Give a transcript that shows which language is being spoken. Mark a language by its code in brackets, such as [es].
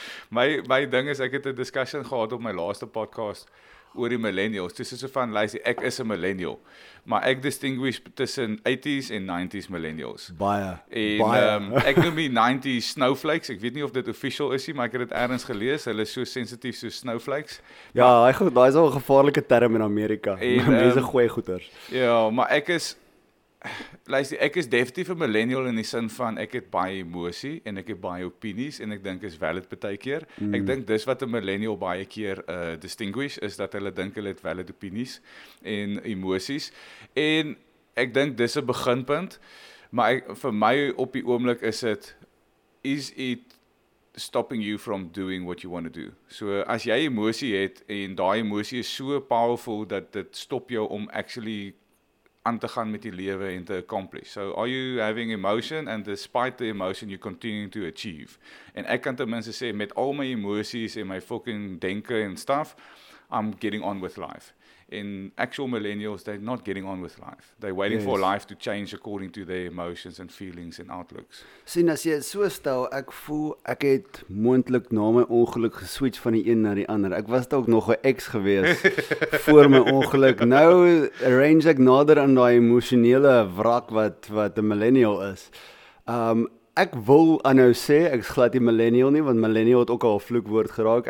[af] my ding is, ek het 'n discussion gehad op my laaste podcast, oor die millennials, dis so van, luister, ek is 'n millennial, maar ek distinguish tussen 80s en 90s millennials. Baie, en, baie. Ek noem die 90s snowflakes, ek weet nie of dit official is nie, maar ek het dit ergens gelees, hulle is so sensitief soos snowflakes. Ja, daar is al een gevaarlike term in Amerika, en, mense gooi goeders. Ja, maar ek is, luister, ek is definitief 'n millennial in die sin van, ek het baie emosie, en ek het baie opinies, en ek dink is valid baie keer. Mm. Ek dink dis wat 'n millennial baie keer distinguish, is dat hulle dink hulle het valid opinies, en emosies, en ek dink dis 'n beginpunt, maar vir my op die oomblik is het, [en] is it stopping you from doing what you want to do? [af] So, as jy emosie het, en daai emosie is so powerful, dat dit stop jou om actually aan te gaan met die lewe en te accomplish. [en] So, are you having emotion, and despite the emotion, you continue to achieve? [af] En ek kan ten minste sê, met al my emosies en my fucking denke en stuff, [en] I'm getting on with life. In actual millennials, they're not getting on with life. They're waiting for life to change according to their emotions and feelings and outlooks. [af] Sien, as jy so stel, ek voel, ek het moontlik na my ongeluk geswitch van die een na die ander. Ek was ook nog 'n ex gewees voor my ongeluk. Nou range ek nader aan die emotionele wrak wat die millennial is. Ek wil aanhou sê, ek is glad die millennial nie, want millennial het ook al vloekwoord geraak.